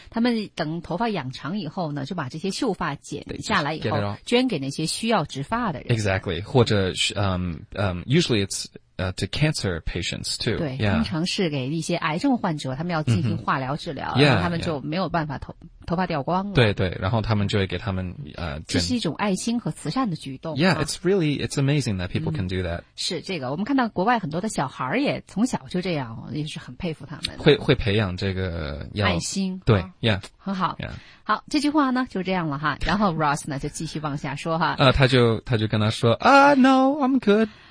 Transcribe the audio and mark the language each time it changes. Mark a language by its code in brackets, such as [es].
[zh] 他们等头发养长以后呢，就把这些秀发剪下来以后捐给那些需要植发的人。 [en] Exactly, 或者usually it's to cancer patients too. [zh] 对、 [en] yeah. [zh] 通常是给一些癌症患者，他们要进行化疗治疗、 mm-hmm. 然后他们就没有办法头发掉光了。对对，然后他们就会给他们这是一种爱心和慈善的举动。 [en] Yeah, it's really, it's amazing that people can do that. [zh] 是这个，我们看到国外很多的小孩也从小就这样，也是很佩服他们。会培养这个爱心。对、啊、 [en] ,Yeah. [zh] 很好。 [en] Yeah. [zh] 好，这句话呢就这样了哈，然后 Ross 呢就继续往下说哈。他就跟他说 [en] no, I'm good.